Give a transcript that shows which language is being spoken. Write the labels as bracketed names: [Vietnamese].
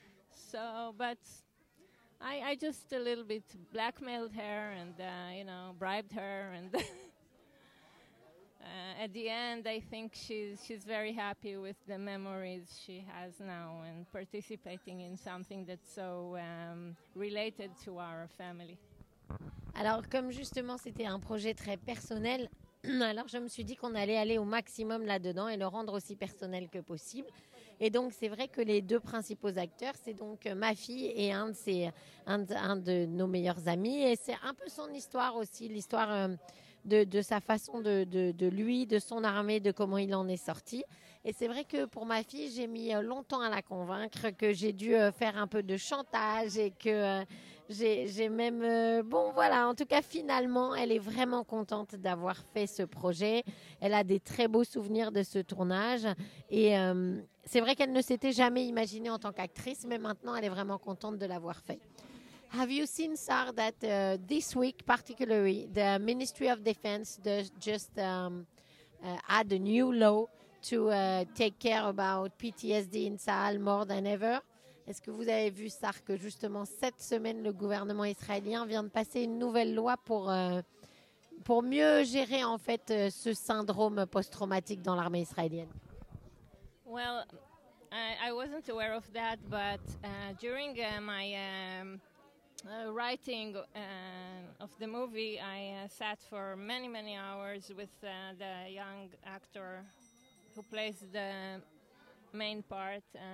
[English] So, but I just a little bit blackmailed her and, you know, bribed her. And at the end, I think she's very happy with the memories she has now and participating in something that's so related to our family. [French] Alors, comme justement, c'était un projet très personnel, alors je me suis dit qu'on allait aller au maximum là-dedans et le rendre aussi personnel que possible. Et donc, c'est vrai que les deux principaux acteurs, c'est donc ma fille et un de nos meilleurs amis. Et c'est un peu son histoire aussi, l'histoire de sa façon de lui, de son armée, de comment il en est sorti. Et c'est vrai que pour ma fille, j'ai mis longtemps à la convaincre que j'ai dû faire un peu de chantage et que j'ai même... Bon, voilà, en tout cas, finalement, elle est vraiment contente d'avoir fait ce projet. Elle a des très beaux souvenirs de ce tournage. Et c'est vrai qu'elle ne s'était jamais imaginée en tant qu'actrice, mais maintenant, elle est vraiment contente de l'avoir fait. [English] Have you seen, sir, that this week, particularly, the Ministry of Defense just had a new law to take care about PTSD in Sahel more than ever? [French] Est-ce que vous avez vu, sir, que justement cette semaine, le gouvernement israélien vient de passer une nouvelle loi pour mieux gérer, en fait, ce syndrome post-traumatique dans l'armée israélienne? [English] Well, I wasn't aware of that, but during my... writing of the movie, I sat for many, many hours with the young actor who plays the main part.